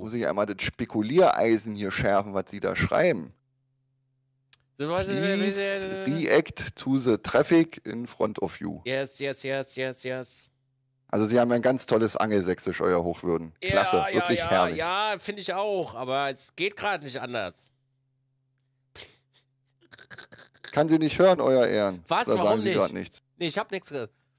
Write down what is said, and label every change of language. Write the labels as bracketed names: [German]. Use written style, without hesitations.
[German] Muss ich einmal das Spekuliereisen hier schärfen, was Sie da schreiben? [English] Please react to the traffic in front of you. Yes, yes, yes, yes, yes. [German] Also Sie haben ein ganz tolles Angelsächsisch, euer Hochwürden. Klasse, ja, wirklich ja, herrlich. Ja, finde ich auch, aber es geht gerade nicht anders. Kann sie nicht hören, euer Ehren. Was, oder warum sagen Sie nicht? Nee, ich habe nichts gehört.